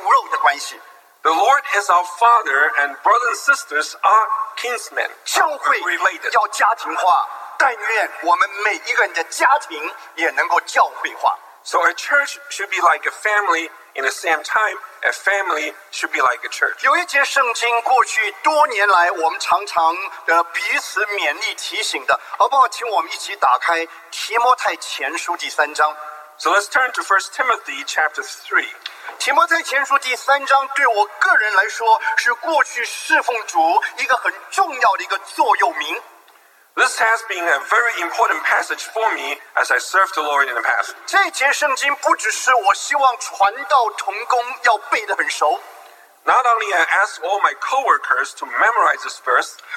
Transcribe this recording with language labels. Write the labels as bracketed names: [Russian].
[English] The Lord is our Father, and brothers and sisters are kinsmen. So a church should be like a family. In the same time, a family should be like a church. [Chinese] 有一节圣经过去多年来我们常常彼此勉励提醒的，好不好？请我们一起打开提摩太前书第三章。 [English] So let's turn to 1 Timothy chapter 3. [Chinese] 提摩太前书第三章对我个人来说是过去侍奉主一个很重要的一个座右铭。 [English] This has been a very important passage for me as I served the Lord in the past. [Chinese] 这节圣经不只是我希望传道同工要背得很熟。 [English] Not only I ask all my co-workers to memorize this verse,